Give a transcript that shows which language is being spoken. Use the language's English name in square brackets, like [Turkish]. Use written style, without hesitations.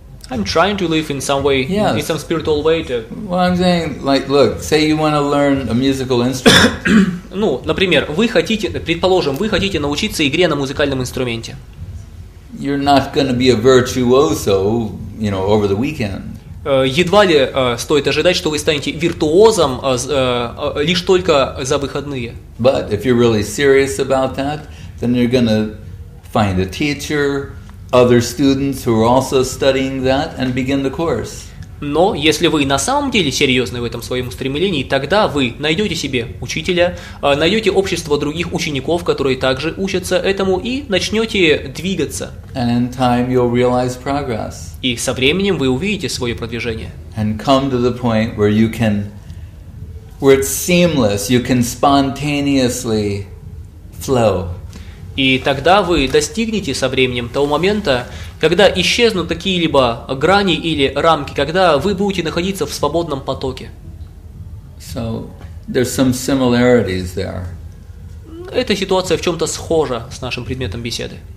[English] I'm trying to live in some way, yes. in some spiritual way. To... Well, I'm saying, like, look, say you want to learn a musical instrument. [Russian] Ну, например, вы хотите, предположим, вы хотите научиться игре на музыкальном инструменте. [English] You're not going to be a virtuoso, you know, over the weekend. [Russian] Едва ли стоит ожидать, что вы станете виртуозом лишь только за выходные. [English] But if you're really serious about that, then you're going to find a teacher, other students who are also studying that, and begin the course. [Russian] Но если вы на самом деле серьезны в этом своем устремлении, тогда вы найдете себе учителя, найдете общество других учеников, которые также учатся этому, и начнете двигаться. [English] And in time you'll realize progress. [Russian] И со временем вы увидите свое продвижение. [English] And come to the point where you can, where it's seamless, you can spontaneously flow. [Russian] И тогда вы достигнете со временем того момента, когда исчезнут какие-либо грани или рамки, когда вы будете находиться в свободном потоке. [English] So, there's some similarities there. [Russian] Эта ситуация в чем-то схожа с нашим предметом беседы.